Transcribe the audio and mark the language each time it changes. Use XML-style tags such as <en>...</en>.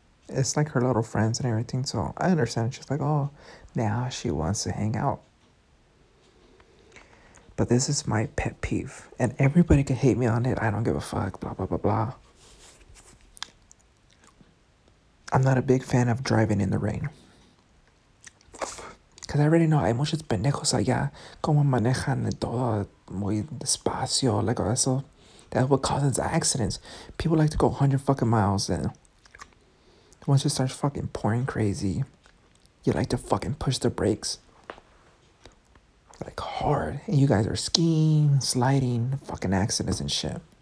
<en>It's like her little friends and everything. So I understand. She's like, oh, now she wants to hang out. But this is my pet peeve. And everybody can hate me on it. I don't give a fuck. Blah, blah, blah, blah. I'm not a big fan of driving in the rain. Because I already know</en> <es>hay muchos pendejos allá. Como manejan todo muy despacio.</es> <en>Like,</en> <es>eso.</es> <en>That's what causes accidents. People like to go 100 fucking miles. And once it starts fucking pouring crazy, you like to fucking push the brakes. Like, hard. And you guys are skiing, sliding, fucking accidents and shit.</en>